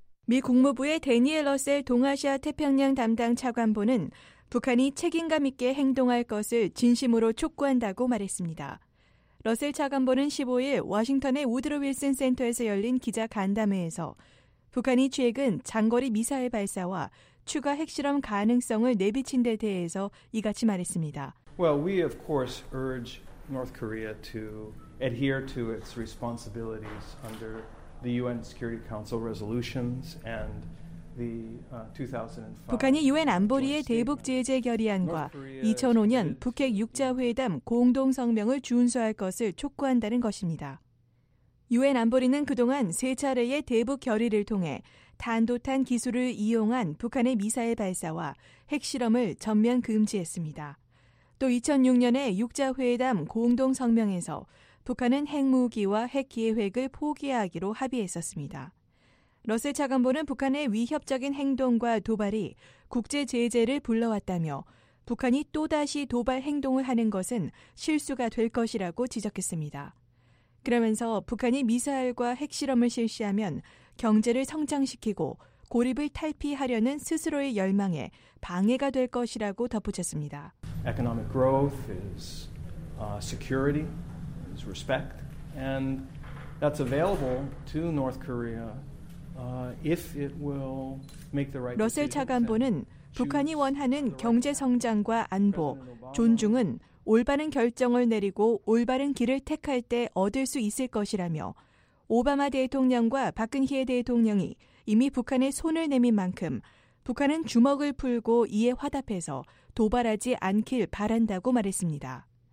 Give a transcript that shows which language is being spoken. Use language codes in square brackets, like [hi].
[ko] 미 국무부의 대니엘 러셀 동아시아 태평양 담당 차관보는 북한이 책임감 있게 행동할 것을 진심으로 촉구한다고 말했습니다. 러셀 차관보는 15일 워싱턴의 우드로 윌슨 센터에서 열린 기자 간담회에서 북한이 최근 장거리 미사일 발사와 추가 핵실험 가능성을 내비친 데 대해서 이같이 말했습니다. [en] Well, we of course urge North Korea to adhere to its responsibilities under the UN Security Council resolutions and the 2005 [ko] 북한이 유엔 안보리의 대북 제재 결의안과 2005년 북핵 6자 회담 공동 성명을 준수할 것을 촉구한다는 것입니다. 유엔 안보리는 그동안 세 차례의 대북 결의를 통해 탄도탄 기술을 이용한 북한의 미사일 발사와 핵실험을 전면 금지했습니다. 또 2006년에 6자 회담 공동 성명에서 북한은 핵무기와 핵기획을 포기하기로 합의했었습니다. 러셀 차관보는 북한의 위협적인 행동과 도발이 국제 제재를 불러왔다며 북한이 또다시 도발 행동을 하는 것은 실수가 될 것이라고 지적했습니다. 그러면서 북한이 미사일과 핵실험을 실시하면 경제를 성장시키고 고립을 탈피하려는 스스로의 열망에 방해가 될 것이라고 덧붙였습니다. [en] Economic growth is security. Respect, and that's available to North Korea if it will make the right. [ko] 러셀 차관보는 북한이 원하는 경제 성장과 안보, 존중은 올바른 결정을 내리고 올바른 길을 택할 때 얻을 수 있을 것이라며 오바마 대통령과 박근혜 대통령이 이미 북한에 손을 내민 만큼 북한은 주먹을 풀고 이에 화답해서 도발하지 않길 바란다고 말했습니다.